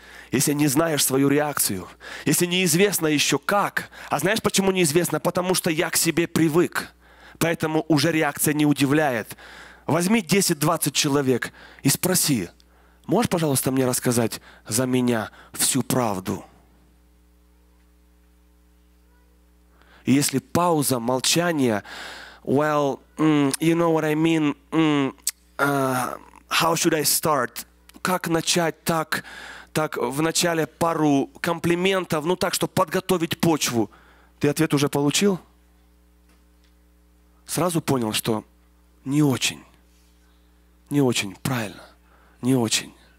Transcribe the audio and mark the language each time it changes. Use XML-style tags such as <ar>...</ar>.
<ru>Если не знаешь свою реакцию, если неизвестно еще как, а знаешь, почему неизвестно? Потому что я к себе привык, поэтому уже реакция не удивляет. Возьми 10-20 человек и спроси: можешь, пожалуйста, мне рассказать за меня всю правду? И если пауза, молчание,</ru> <en>well, you know what I mean, how should I start?</en> <ru>Как начать так? Так, вначале пару комплиментов, ну так, чтобы подготовить почву. Ты ответ уже получил? Сразу понял, что не очень. Не очень, правильно. Не очень.</ru>